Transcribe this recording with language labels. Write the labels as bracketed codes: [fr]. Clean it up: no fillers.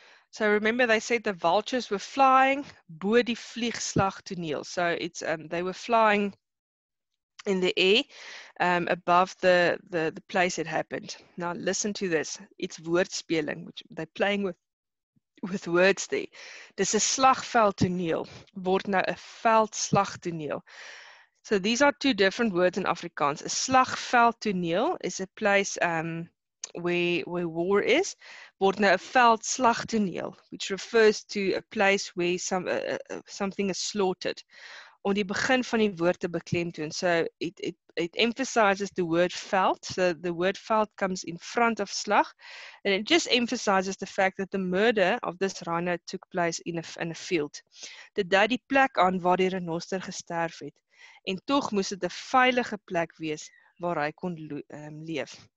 [en] So remember they said the vultures were flying [af] bo die vliegslag toneel. [en] So it's they were flying in the air above the place it happened. Now listen to this. It's woordspeling, which they're playing with words there. [af] Dis 'n slagveld toneel word nou 'n veldslag toneel. [en] So these are two different words in Afrikaans. 'N slagveld toneel is a place where war is, [af] word nou 'n veldslag toneel, [en] which refers to a place where something is slaughtered. [af] Om die begin van die woord te beklemtoon. [en] So it emphasizes the word veld. So the word veld comes in front of slag, and it just emphasizes the fact that the murder of this rhino took place in a field. [af] Dit dui die plek aan waar die renoster gesterf het, en tog moes dit 'n veilige plek wees waar hy kon leef.